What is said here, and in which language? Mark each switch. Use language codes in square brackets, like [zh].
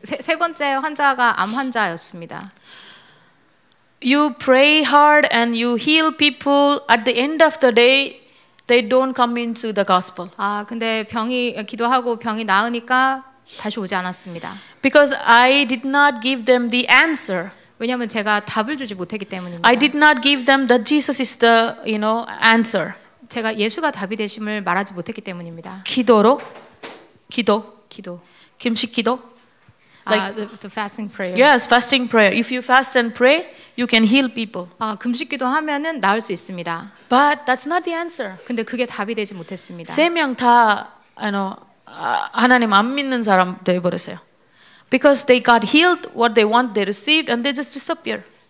[ko] 세 번째 환자가 암 환자였습니다. [en] You pray hard and you heal people. At the end of the day, they don't come into the gospel. [ko] 근데 병이 기도하고 병이 나으니까 다시 오지 않았습니다. [en] Because I did not give them the answer. [ko] 왜냐하면 제가 답을 주지 못했기 때문입니다. [en] I did not give them that Jesus is the, you know, answer. [ko] 제가 예수가 답이 되심을 말하지 못했기 때문입니다. 기도로? 기도. 기도. 금식 기도? [en] Like, the fasting prayer. Yes, fasting prayer. If you fast and pray, you can heal people. [ko] 금식 기도하면은 나을 수 있습니다. [en] But that's not the answer. [ko] 근데 그게 답이 되지 못했습니다. 세 명 다, you know, 하나님 안 믿는 사람 되어버렸어요. [en] Because they got healed what they want, they received, and they just disappear.